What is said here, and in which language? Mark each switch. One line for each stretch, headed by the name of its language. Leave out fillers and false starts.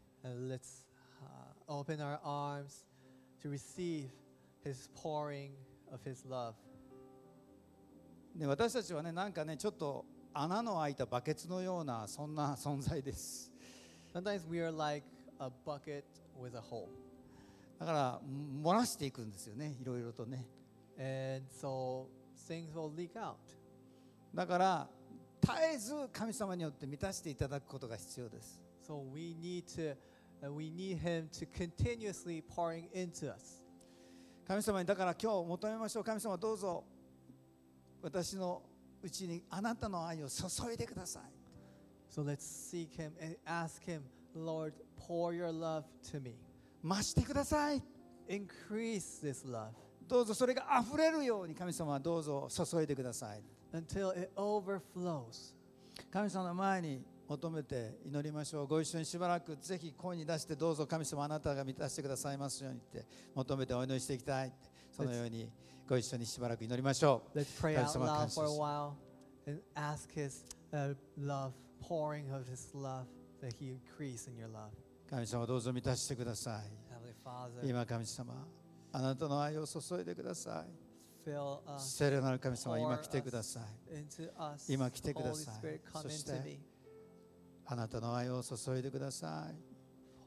English: Let's open our arms to receive. His pouring of his love.
Japanese: ね、私たちはね、なんかね、ちょっと穴の開いたバケツのようなそんな存在です。
English: Sometimes we are like a bucket with a hole.
Japanese: だから漏らしていくんですよね、いろいろとね。
English: And so things will leak out.
Japanese: だから絶えず神様によって満たしていただくことが必要です。
English: So we need him to continuously pouring into us.
Japanese: 神様にだから今日求めましょう。神様どうぞ私のうちにあなたの愛を注いでください。
English: So let's seek him and ask him, Lord, pour your love to me.
Japanese: 増してください。
English: Increase this love.
Japanese: どうぞそれが溢れるように神様どうぞ注いでください。
English: Until it overflows.
Japanese: 神様の前に求めて祈りましょう。ご一緒にしばらくぜひ声に出してどうぞ神様あなたが満たしてくださいますようにって求めてお祈りしていきたい。そのようにご一緒にしばらく祈りましょう。
English: Let's pray out loud for a while and ask his love, pouring of his love that he increase in your love.
Japanese: 神様どうぞ満たしてください。
English: Heavenly Father,
Japanese: 今神様あなたの愛を注いでください。聖霊なる神様今来てください。
English: us,
Japanese: 今来てください。
English: Holy Spirit,
Japanese: そしてあなたの愛を注いでください。